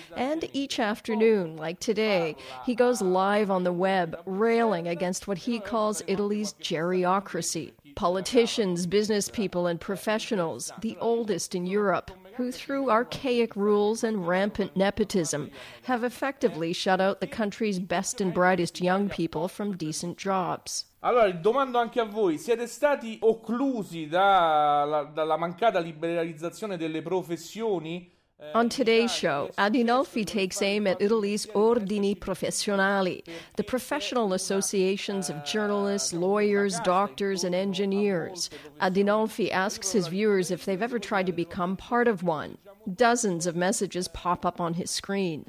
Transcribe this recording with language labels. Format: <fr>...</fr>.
<en>And each afternoon, like today, he goes live on the web, railing against what he calls Italy's geriocracy. Politicians, business people, and professionals, the oldest in Europe, who through archaic rules and rampant nepotism have effectively shut out the country's best and brightest young people from decent jobs.</en> <it>Allora, domando anche a voi, siete stati occlusi dalla mancata liberalizzazione delle professioni?</it> <en>On today's show, Adinolfi takes aim at Italy's ordini professionali, the professional associations of journalists, lawyers, doctors, and engineers. Adinolfi asks his viewers if they've ever tried to become part of one. Dozens of messages pop up on his screen.</en>